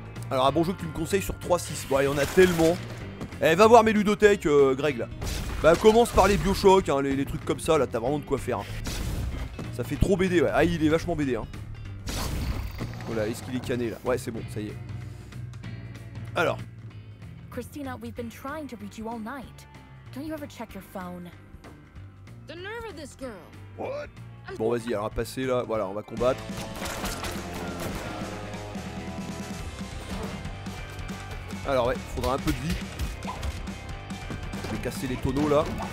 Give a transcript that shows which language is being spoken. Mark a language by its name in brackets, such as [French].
[French] Alors, un bon jeu que tu me conseilles sur 3-6. Bon, il y en a tellement. Eh, va voir mes ludothèques, Greg là. Bah, commence par les Bioshock, hein, les trucs comme ça. Là, t'as vraiment de quoi faire, hein. Ça fait trop BD, ouais. Ah, il est vachement BD, hein. Voilà, est-ce qu'il est cané là? Ouais, c'est bon, ça y est. Alors. [English] Christina, we've been trying to reach you all night. Don't you ever check your phone? The nerve of this girl. What? [French] Bon, vas-y, alors à passer là, voilà, on va combattre. Alors ouais, faudra un peu de vie. Je vais casser les tonneaux là.